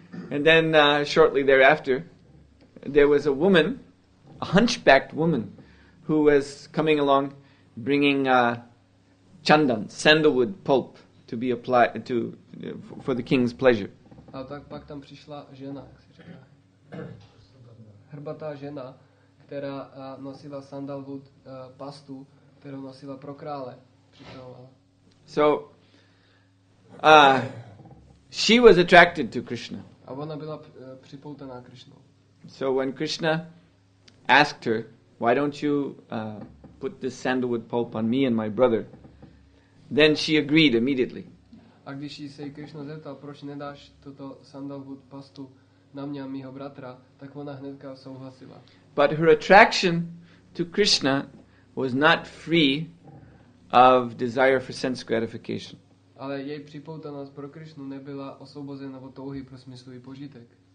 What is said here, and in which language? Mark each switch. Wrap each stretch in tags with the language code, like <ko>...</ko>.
<en>And then shortly thereafter, there was a woman, a hunchbacked woman, who was coming along bringing chandan, sandalwood pulp, to be applied to for the king's pleasure.</en> <cs>A tak pak tam přišla žena, jak si říká. Hrbatá žena, která nosila sandalwood pastu, kterou nosila pro krále, připravovala.</cs> <en>So, she was attracted to Krishna.</en> <cs>A ona byla připoutaná Krishnou.</cs> <en>So when Krishna asked her, "Why don't you put this sandalwood pulp on me and my brother?" Then she agreed immediately.</en> <cs>A když jí se Krishna zeptal, proč nedáš toto sandalwood pastu na mě a mýho bratra, tak ona hnedka souhlasila.</cs> <en>But her attraction to Krishna was not free of desire for sense gratification.</en> <cs>Ale její připoutanost pro Krishnu nebyla osvobozena od touhy pro smyslový požitek.</cs>